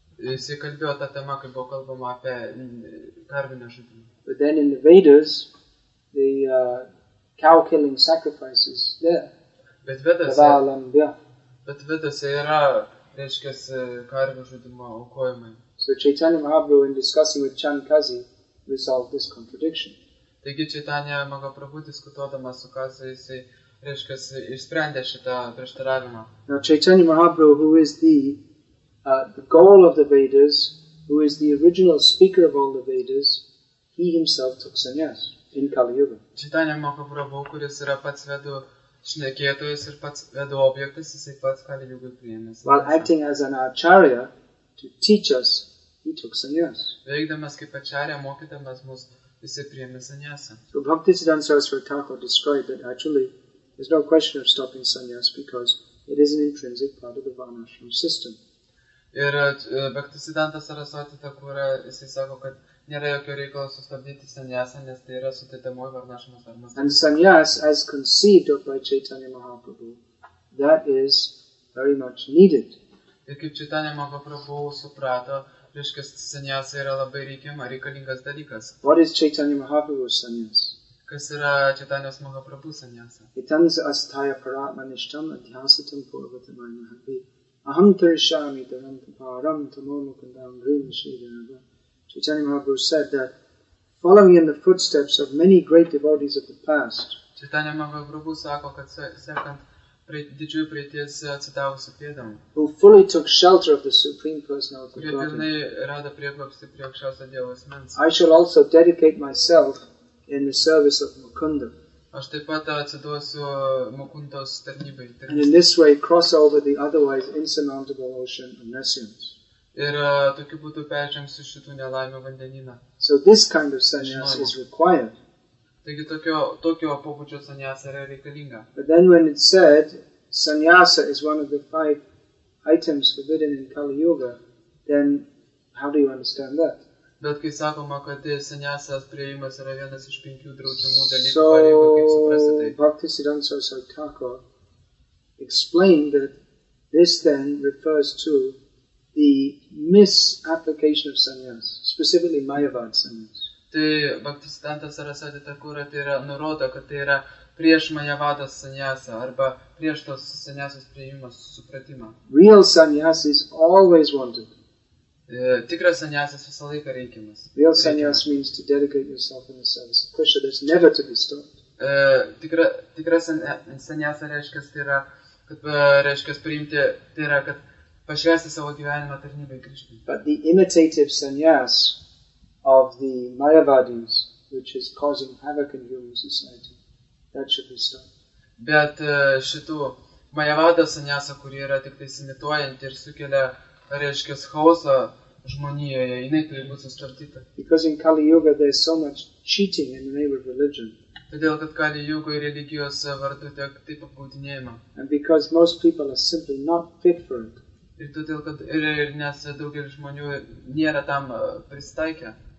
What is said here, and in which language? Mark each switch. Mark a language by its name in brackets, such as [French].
[Lithuanian] Jis kalbėjo tą temą, kai buvo kalbama apie karvinę žudimą. [English] But then in the Vedas, the cow killing sacrifices there. [Lithuanian] Bet Vedose, yra, reiškia, karvių žudimo aukojimai. [English] So Chaitanya Mahaprabhu, in discussing with Chan Kazi, resolved this contradiction. [Lithuanian] Taigi Chaitanya Mahaprabhu, diskutuodamas su Kazi, jisai, reiškia, išsprendė šitą prieštaravimą. [English] Now Chaitanya Mahaprabhu, who is the goal of the Vedas, who is the original speaker of all the Vedas, he himself took sannyas in Kali Yuga. [Lithuanian] Chaitanya Mahaprabhu, kuris yra pats vedų šnekėtojas ir pats vedų objektas, jisai pats Kali Yuga priėmė. [English] While acting as an acharya to teach us, he took sannyas. [Lithuanian] Veikdamas kaip acharya, mokydamas mus, jisai priėmė sannyasą. [English] So Bhaktisiddhanta Saraswati Thakur described that actually there's no question of stopping sannyas because it is an intrinsic part of the Varnashram system. [Lithuanian] Ir Bhaktisiddhanta Saraswati Thakur, jisai sako, kad nėra jokio reikalo sustabdyti sannyasą, nes tai yra sutitamoji varnašamas darmas. [English] And sannyas, as conceived of by Chaitanya Mahaprabhu, that is very much needed. [Lithuanian] Ir kaip Chaitanya Mahaprabhu suprato, reiškia, sannyasa yra labai reikiama, reikalingas dalykas. [English] What is Chaitanya Mahaprabhu's sannyas? [Lithuanian] Kas yra Chaitanya Mahaprabhu sannyasa? [Sanskrit] Itams asthaya paratmanishtam adhyasitam purvatamayana happy. Aham tarishami dharantaparam tamomukandam rin shidharava. [English] Chaitanya Mahaprabhu said that following in the footsteps of many great devotees of the past, [Lithuanian] Chaitanya Mahaprabhu sako, kad sekant didžiųjų praeities atsidavusių pėdom, [English] who fully took shelter of the Supreme Personality of Godhead, [Lithuanian] kurie pilnai rado prieglobstį prie aukščiausio Dievo asmens, [English] I shall also dedicate myself in the service of Mukunda. [Lithuanian] Aš taip pat atsiduosiu Mukundos tarnybai. [English] And in this way cross over the otherwise insurmountable ocean of nescience. [Lithuanian] Ir tokiu būdu peržengsiu šitų nelaimių vandenyną. [English] So this kind of sannyas is required. [Lithuanian] Taigi tokio pobūdžio sannyasa yra reikalinga. [English] But then when it said sannyasa is one of the five items forbidden in Kali Yuga, then how do you understand that? [Lithuanian] Bet kai sakoma, kad sannyasas priėjimas yra vienas iš penkių draudžiamų dalykų, kaip suprasti tai? [English] So Bhaktisiddhanta Thakur explained that this then refers to the misapplication of sannyas, specifically Mayavad sannyas. [Lithuanian] Tai Bhaktisiddhanta Saraswati Thakur tai yra nurodo, kad tai yra prieš Mayavadas sannyasą arba prieš tos sannyasas priėjimas supratimą. [English] Real sannyas is always wanted. [Lithuanian] Tikras sannyasas visą laiką reikimas. [English] Real sannyas means to dedicate yourself in the service of Krishna. That's never to be stopped. [Lithuanian] Tikras sannyasa reiškia, tai yra, kad reiškia priimti, tai yra, kad pašvęsti savo gyvenimą tarnybai Krishna. [English] But the imitative sannyas of the Mayavadis, which is causing havoc in human society, that should be stopped. [Lithuanian] Bet šitų Mayavada sannyasa, kuri yra tik tai imituojanti ir sukelia, reiškia, chaosą žmonijoje, jinai turi būti sustabdyta. [English] Because in Kali Yuga there is so much cheating in the name of religion. [Lithuanian] Todėl, kad Kali Yuga religijos vardu tiek taip apgaudinėjama. [English] And because most people are simply not fit for it. [Lithuanian] Ir todėl, kad nes daugelis žmonių nėra tam prisitaikę.